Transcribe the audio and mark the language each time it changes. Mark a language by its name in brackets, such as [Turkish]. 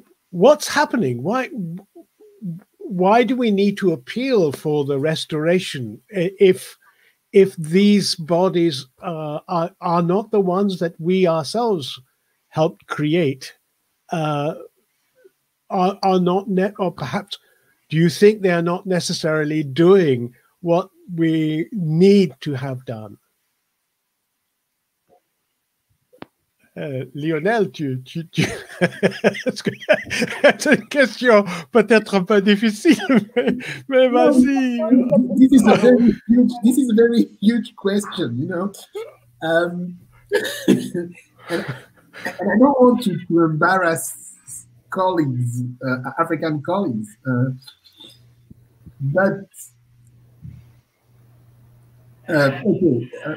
[English] What's happening? Why do we need to appeal for the restoration if these bodies are not the ones that we ourselves helped create, are not, or perhaps do you think they are not necessarily doing what we need to have done? [French] Lionel, tu c'est une question peut-être un peu difficile, mais no, vas-y. [English] This is a very huge question, you know. And I don't want to embarrass colleagues, African colleagues, but okay.